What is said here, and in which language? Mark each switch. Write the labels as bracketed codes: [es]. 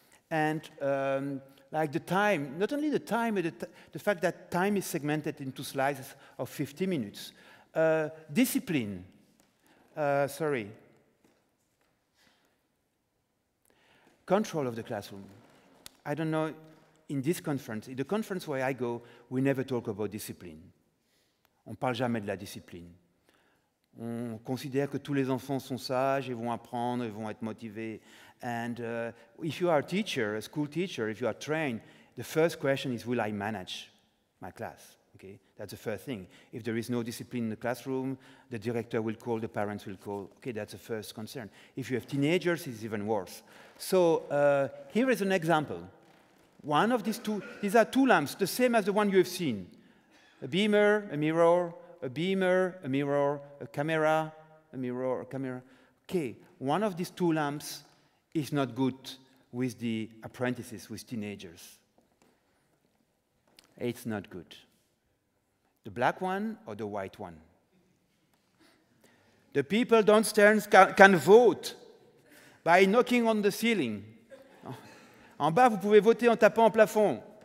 [en] And like the time, not only the time, but the fact that time is segmented into slices of 50 minutes. Discipline. Control of the classroom. I don't know, in this conference, in the conference where I go, we never talk about discipline. [fr] On ne parle jamais de la discipline. On considère que tous les enfants sont sages, ils vont apprendre, ils vont être motivés. [en] And if you are a teacher, a school teacher, if you are trained, the first question is, will I manage my class? Okay, that's the first thing. If there is no discipline in the classroom, the director will call, the parents will call. Okay, that's the first concern. If you have teenagers, it's even worse. So here is an example. One of these two, these are two lamps, the same as the one you have seen. A beamer, a mirror, a beamer, a mirror, a mirror, a camera. Okay, one of these two lamps is not good with the apprentices, with teenagers. It's not good. The black one or the white one? The people downstairs can vote by knocking on the ceiling. [fr] En bas, vous pouvez voter en tapant au plafond.